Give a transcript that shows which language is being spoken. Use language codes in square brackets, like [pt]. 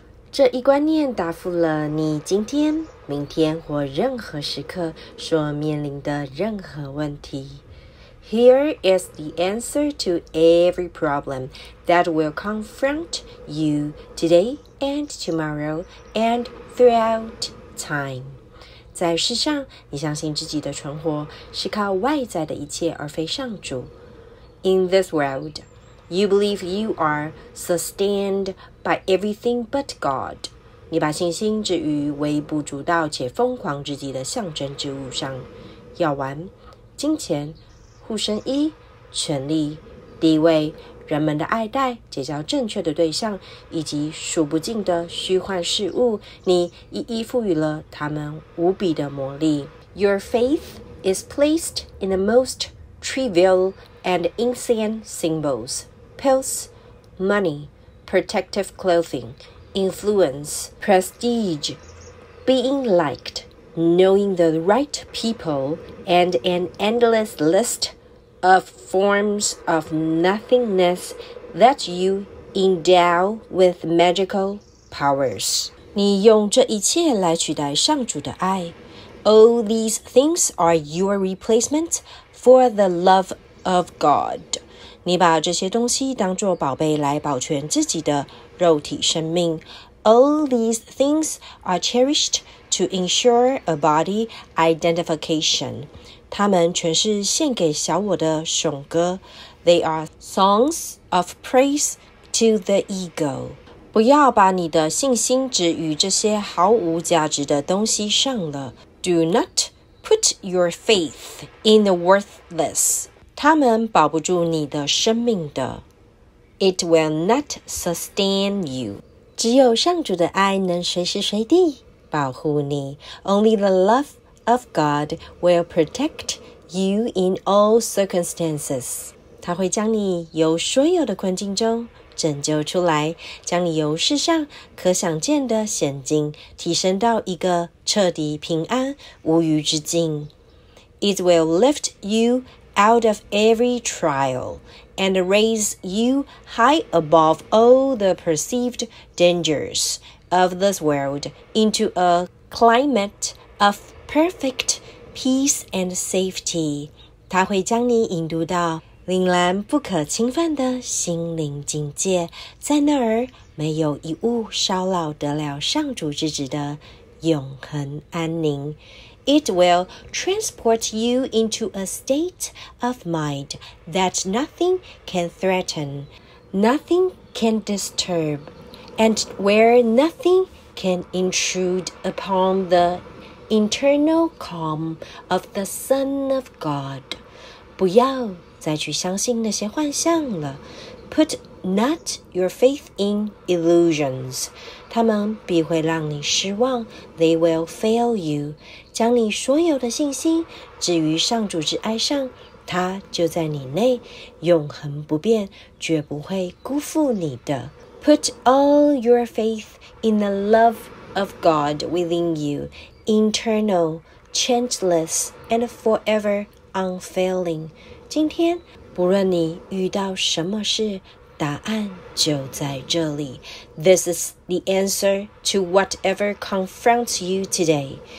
[zh] 这一观念答复了你今天明天或任何时刻所面临的任何问题。 [en] Here is the answer to every problem that will confront you today and tomorrow and throughout time。 [zh] 在世上，你相信自己的存活是靠外在的一切而非上主。 [en] In this world, you believe you are sustained by everything but God。 [zh] 你把信心置于微不足道且疯狂至极的象征之物上，药丸、金钱、护身衣、权力、地位、人们的爱戴、结交正确的对象，以及数不尽的虚幻事物，你一一赋予了他们无比的魔力。 [en] Your faith is placed in the most trivial and insane symbols, pills, money, protective clothing,influence, prestige, being liked, knowing the right people, and an endless list of forms of nothingness that you endow with magical powers. [zh] 你用这一切来取代上主的爱。 [en] All these things are your replacement for the love of God. [zh] 你把这些东西当作宝贝来保全自己的肉体生命。 [en] All these things are cherished to ensure a body identification. [zh] 它们全是献给小我的颂歌。 [en] They are songs of praise to the ego. [zh] 不要把你的信心置于这些毫无价值的东西上了。 [en] Do not put your faith in the worthless. [zh] 它们保不住你的生命的。 [en] It will not sustain you. [zh] 只有上主的爱能随时随地保护你。 [en] Only the love of God will protect you in all circumstances. [zh] 他会将你由所有的困境中拯救出来，将你由世上可想见的险境提升到一个彻底平安无余之境。 [en] It will lift you out of every trial. And raise you high above all the perceived dangers of this world into a climate of perfect peace and safety. [zh] 它会将你引渡到凛然不可侵犯的心灵境界，在那儿没有一物骚扰得了上主之子的永恒安宁。 [en] It will transport you into a state of mind that nothing can threaten, nothing can disturb, and where nothing can intrude upon the internal calm of the Son of God. [zh] 不要再去相信那些幻象了。 [en] Put not your faith in illusions. [zh] 他们必会让你失望。 [en] They will fail you. [zh] 将你所有的信心置于上主之爱上，他就在你内，永恒不变，绝不会辜负你的。 [en] Put all your faith in the love of God within you, internal, changeless, and forever unfailing. [zh] 今天不论你遇到什么事，答案就在这里。 [en] This is the answer to whatever confronts you today.